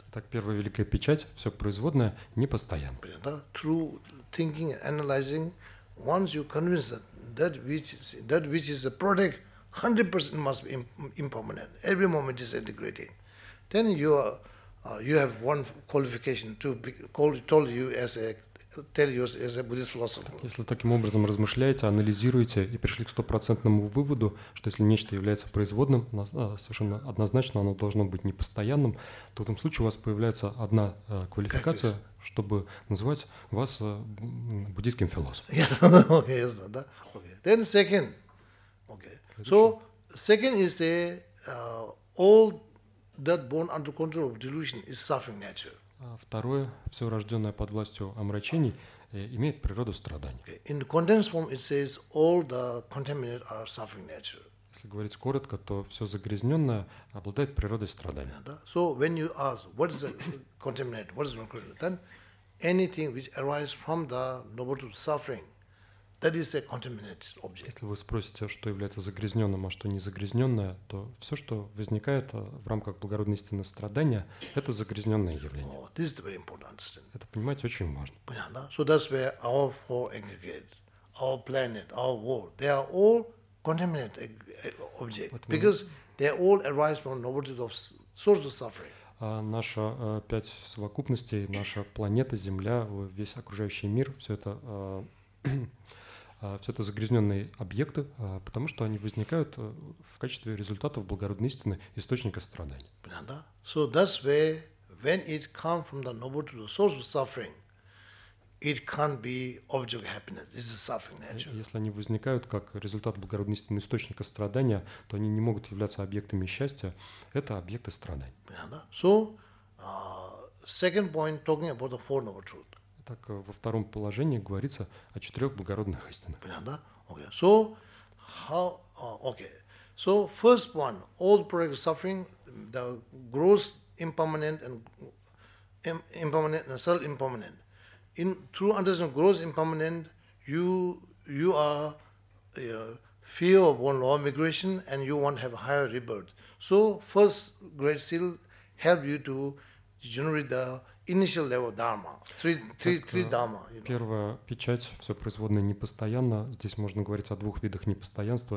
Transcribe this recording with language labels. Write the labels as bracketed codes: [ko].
[ru] Так, первая великая печать, все производное, непостоянно. Да? [en] Through thinking and analyzing, once you convince that that which is a product, 100% must be impermanent. Every moment is integrating. Then you have one qualification to be told you as a tell you as a Buddhist philosopher. [ru] Так, если таким образом размышляете, анализируете и пришли к стопроцентному выводу, что если нечто является производным, совершенно однозначно оно должно быть непостоянным, то в этом случае у вас появляется одна квалификация, чтобы называть вас буддийским философом. [en] Okay, yes, no, да? Okay. Then second. Okay. So second is a all that born under control of delusion is suffering nature. [ru] Второе, все рожденное под властью омрачений имеет природу страданий. [en] Okay. In the condensed form, it says all the contaminated are suffering nature. [ru] Если говорить коротко, то все загрязненное обладает природой страданий. [en] Yeah, да? So when you ask what is the contaminated, what is not contaminated, then anything which arises from the noble truth suffering, that is a contaminated object. [ru] Если вы спросите, что является загрязненным, а что не загрязненное, то все, что возникает в рамках благородной истины страдания, это загрязненное явление. [en] Oh, this is very important. [ru] Это понимать очень важно. Понятно. [en] So that's where our four aggregates, our planet, our world, they are all contaminated objects, because they all arise from noble truth of source of suffering. [ru] Наша пять совокупностей, наша планета, Земля, весь окружающий мир, все это все это загрязненные объекты, потому что они возникают в качестве результатов благородной истины, источника страданий. Понятно? [en] So that's where, when it comes from the noble truth, the source of suffering, it can't be object of happiness. This is suffering nature. [ru] Если они возникают как результат благородной истины, источника страдания, то они не могут являться объектами счастья. Это объекты страданий. Понятно? [en] So, second point, talking about the four noble truths. [ru] Так во втором положении говорится о четырех благородных истинах. Понятно, да? [en] Okay. So how? Okay. So first one, all product suffering, the gross impermanent and impermanent and self impermanent. In through understanding gross impermanent, you are fear of one law of migration, and you want to have a higher rebirth. So first great seal help you to generate the initial level dharma, three dharma. You know. [ru] Первая печать, все производное непостоянно. Здесь можно говорить о двух видах непостоянства.